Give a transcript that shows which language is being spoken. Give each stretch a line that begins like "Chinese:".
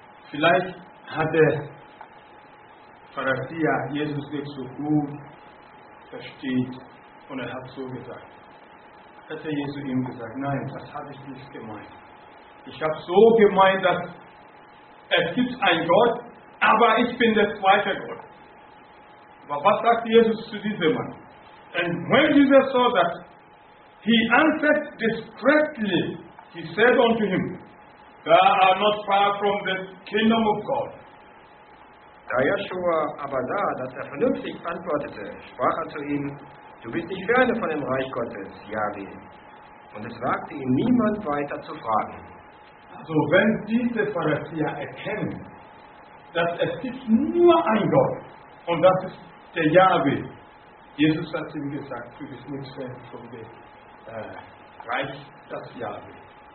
German: Vielleicht hat der Pharisäer Jesus nicht so gut versteht, und er hat so gesagt. Hat der Jesus ihm gesagt, nein, das habe ich nicht gemeint. Ich habe so gemeint, dass es gibt einen Gott, aber ich bin der zweite Gott. Aber was sagt Jesus zu diesem Mann?
English: And when Jesus saw that, he answered discreetly, he said unto him, thou art not far from the kingdom of God.
German: Da Joshua aber sah, dass er vernünftig antwortete, sprach er zu ihm, du bist nicht ferne von dem Reich Gottes, Yahweh. Und es wagte ihn niemand weiter zu fragen. Also wenn diese Pharisäer erkennen, dass es gibt nur ein Gott und das ist der Yahweh, Jesus hat ihm gesagt, du bist nicht ferne von dem Reich, das Yahweh.